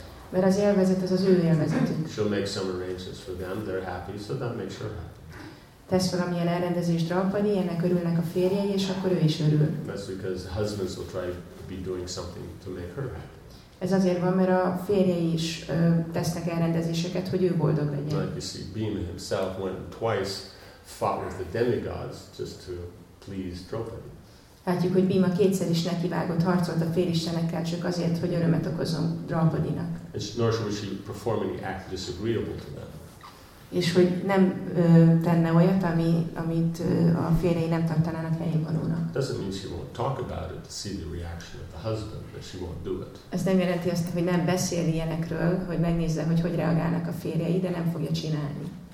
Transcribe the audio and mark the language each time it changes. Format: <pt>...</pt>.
<hu>Mert az élvezet az az ő élvezetük.</hu> <en>She'll make some arrangements for them, they're happy, so that makes her happy.</en> <hu>Tesz valamilyen elrendezést Prabhupada, ennek örülnek a férjei, és akkor ő is örül.</hu> <en>That's because husbands will try to be doing something to make her happy.</en> <hu>Ez azért van, mert a férjei is tesznek elrendezéseket, hogy ő boldog legyen.</hu> <en>Like you see, Bhima himself went twice, fought with the demigods just to please Draupadi.</en> <hu>Látjuk, hogy Bhima kétszer is nekivágott, harcolt a félistenekkel csak azért, hogy örömet okozzon Draupadinak.</hu> <en>Nor should she perform any act disagreeable to them.</en> <hu>És hogy nem tenne olyat, amit a férjei nem tartanának helyén valónak.</hu> <en>Doesn't mean she won't talk about it to see the reaction of the husband, but she won't do it.</en> <hu>Ez nem jelenti azt, hogy nem beszél ilyenekről, hogy megnézze, hogy hogy reagálnak a férjei, de nem fogja csinálni.</hu>